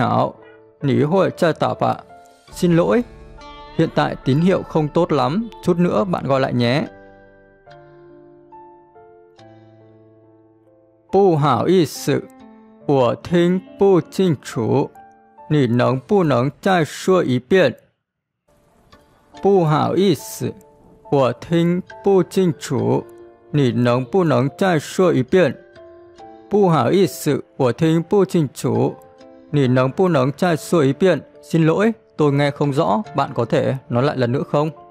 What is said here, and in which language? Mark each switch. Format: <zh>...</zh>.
<zh>对不起，现在信号不太好，你一会儿再打吧。对不起，现在信号不太好，你一会儿再打吧。对不起，现在信号不太好，你一会儿再打吧。</zh> <vi>Xin lỗi, hiện tại tín hiệu không tốt lắm, chút nữa bạn gọi lại nhé.</vi> <zh>不好意思。我听不清楚，你能不能再说一遍？不好意思，我听不清楚，你能不能再说一遍？不好意思，我听不清楚，你能不能再说一遍？</zh> <vi>Xin lỗi, tôi nghe không rõ, bạn có thể nói lại lần nữa không?</vi>